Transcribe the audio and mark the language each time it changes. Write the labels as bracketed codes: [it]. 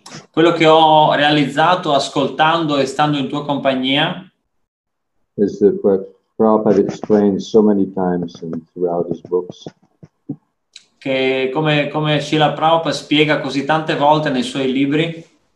[it] Quello che ho realizzato ascoltando e stando in tua compagnia [en] is that what Prabhupada explains so many times and throughout his books. [it] Che come Srila Prabhupada spiega così tante volte nei suoi libri.